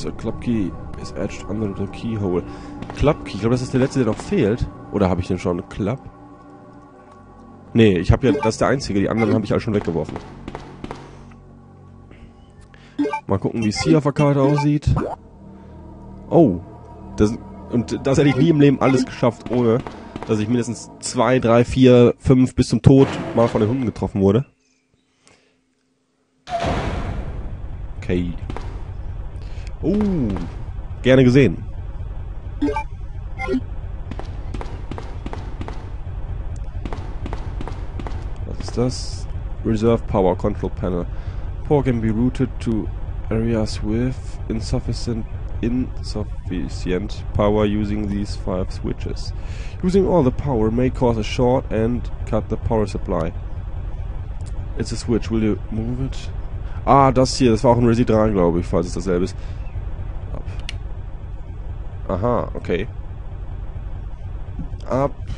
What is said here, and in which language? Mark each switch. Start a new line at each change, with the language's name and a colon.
English: The club key is etched under the keyhole.
German: Club key, ich glaube, das ist der letzte, der noch fehlt. Oder habe ich den schon? Club? Nee, ich habe ja. Das ist der einzige. Die anderen habe ich alle schon weggeworfen. Mal gucken, wie es hier auf der Karte aussieht. Oh. Das hätte ich nie im Leben alles geschafft, ohne dass ich mindestens 2, 3, 4, 5 bis zum Tod mal von den Hunden getroffen wurde. Okay. Gerne gesehen. Was ist das? Reserve Power Control Panel.
English: Power can be routed to areas with insufficient power using these 5 switches. Using all the power may cause a short and cut the power supply. It's a switch, will you move it?
German: Ah, das hier, das war auch ein Resi 3, glaube ich, falls es dasselbe ist. Aha, okay. Ab.